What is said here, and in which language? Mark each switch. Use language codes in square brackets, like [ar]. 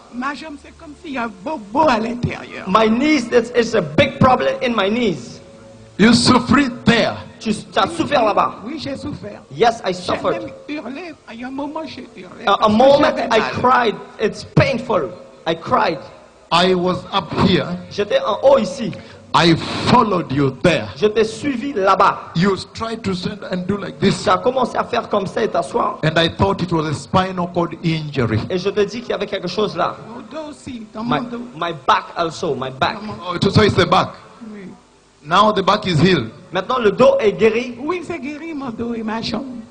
[fr] Ma jambe, c'est comme s'il y a un bobo à l'intérieur. [en] My knees, it's a big problem in my knees. You suffered there. [fr] Tu as souffert là-bas. Oui, j'ai souffert. [en] Yes, I suffered. [fr] J'ai même hurlé. Il y a un moment, j'ai hurlé. [en] A moment, I cried. It's painful. I cried. I was up here. [fr] J'étais en haut ici. [en] I followed you there. [fr] Je t'ai suivi là-bas. [en] You tried to stand and do like this. [fr] Tu as commencé à faire comme ça et t'asseoir. [en] And I thought it was a spinal cord injury. [fr] Et je te dis qu'il y avait quelque chose là. Mon dos aussi, dans mon dos. [en] My back also, my back. Oh, so it's the back. [fr] Oui. [en] Now the back is healed. [fr] Maintenant le dos est guéri. Oui, c'est guéri mon dos et ma jambe.